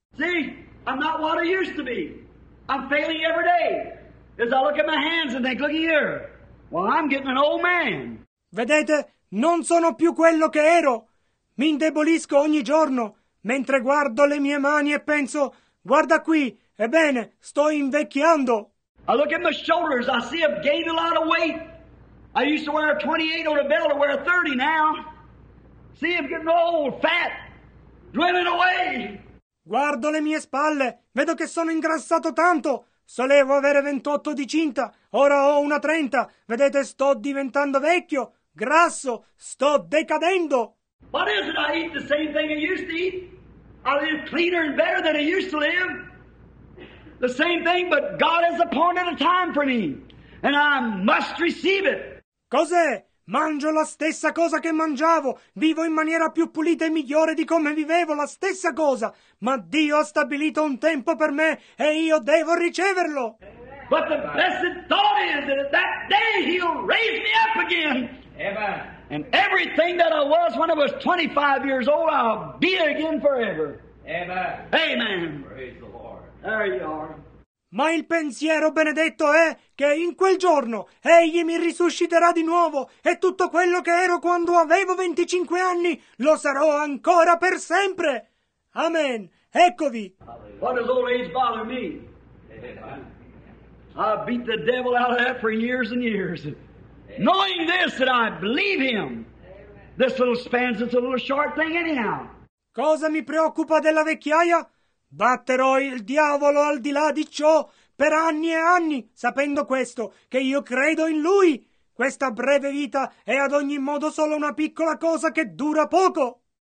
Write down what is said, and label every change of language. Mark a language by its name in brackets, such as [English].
[English] See, I'm not what I used to be. I'm failing every day. As I look at my hands and think, look here. Well, I'm getting an old man. [Italian] Vedete, non sono più quello che ero. Mi indebolisco ogni giorno mentre guardo le mie mani e penso... guarda qui, ebbene, sto invecchiando. [English] I look at my shoulders, I see I've gained a lot of weight. I used to wear a 28 on a belt, I wear a 30 now. See, I'm getting old, fat, dwindling away. [Italian] Guardo le mie spalle, vedo che sono ingrassato tanto. Solevo avere 28 di cinta, ora ho una 30. Vedete, sto diventando vecchio, grasso, sto decadendo. [English] What is it? I eat the same thing I used to eat. I live cleaner and better than I used to live. The same thing, but God has appointed a time for me, and I must receive it. [Italian] Cos'è? Mangio la stessa cosa che mangiavo, vivo in maniera più pulita e migliore di come vivevo, la stessa cosa, ma Dio ha stabilito un tempo per me e io devo riceverlo. [English] But the blessed thought is that that day he'll raise me up again. Amen. And everything that I was when I was 25 years old, I'll be again forever. Amen. Amen. Praise the Lord. There you are. [Italian] Ma il pensiero benedetto è che in quel giorno egli mi risusciterà di nuovo e tutto quello che ero quando avevo 25 anni lo sarò ancora per sempre. Amen. Eccovi. [English] What does old age bother me? I beat the devil out of that for years and years. Knowing this that I believe him. This little span's a little short thing anyhow. [Italian] Cosa mi preoccupa della vecchiaia? Batterò il diavolo al di là di ciò per anni e anni, sapendo questo, che io credo in lui. Questa breve vita è ad ogni modo solo una piccola cosa che dura poco.